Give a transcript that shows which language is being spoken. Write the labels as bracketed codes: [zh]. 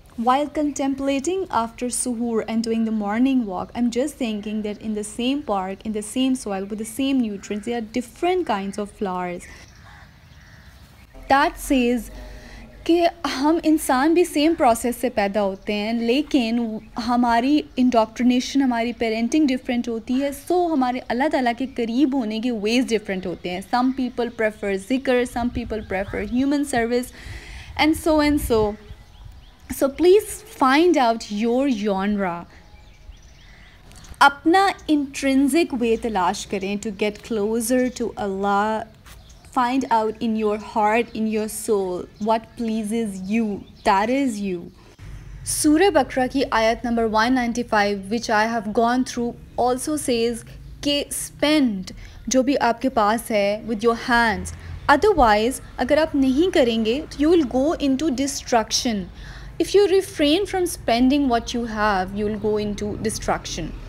[en] While contemplating after suhoor and doing the morning walk, I'm just thinking that in the same park, in the same soil, with the same nutrients, there are different kinds of flowers. That says [ur] کہ ہم انسان بھی [en] same process [ur] سے پیدا ہوتے ہیں، لیکن ہماری انڈاکٹرینیشن، ہماری [en] parenting different [ur] ہوتی ہے، سو ہمارے اللہ تعالیٰ کے قریب ہونے کے [en] ways different [ur] ہوتے ہیں۔ [en] Some people prefer ذکر، some people prefer human service, and so and so. So please find out your یونرا، [ur] اپنا [en] intrinsic way [ur] تلاش کریں [en] To get closer to Allah. Find out in your heart, in your soul, what pleases you, that is you. Surah Baqara ki ayat number 195, which I have gone through, also says ke spend [ur] jo bhi aapke paas hai [en] with your hands, otherwise [ur] agar aap nahi karenge [en] you will go into destruction. If you refrain from spending what you have, you will go into destruction.